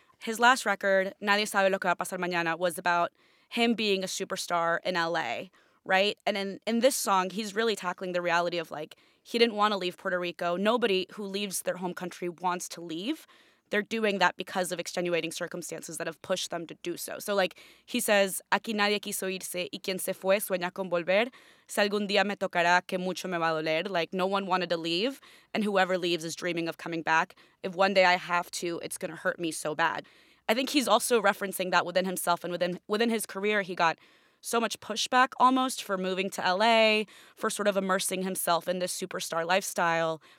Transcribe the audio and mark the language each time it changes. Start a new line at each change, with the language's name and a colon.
English: His last record, Nadie Sabe Lo Que Va a Pasar Mañana, was about him being a superstar in LA, right? And in this song, he's really tackling the reality of, like, he didn't want to leave Puerto Rico. Nobody who leaves their home country wants to leave. They're doing that because of extenuating circumstances that have pushed them to do so. So, like, he says,
Spanish: aquí nadie quiso irse, y quien se fue sueña con volver. Si algún día me tocará, que mucho me va a doler.
English: Like, no one wanted to leave, and whoever leaves is dreaming of coming back. If one day I have to, it's going to hurt me so bad. I think he's also referencing that within himself and within his career. He got so much pushback almost for moving to LA, for sort of immersing himself in this superstar lifestyle.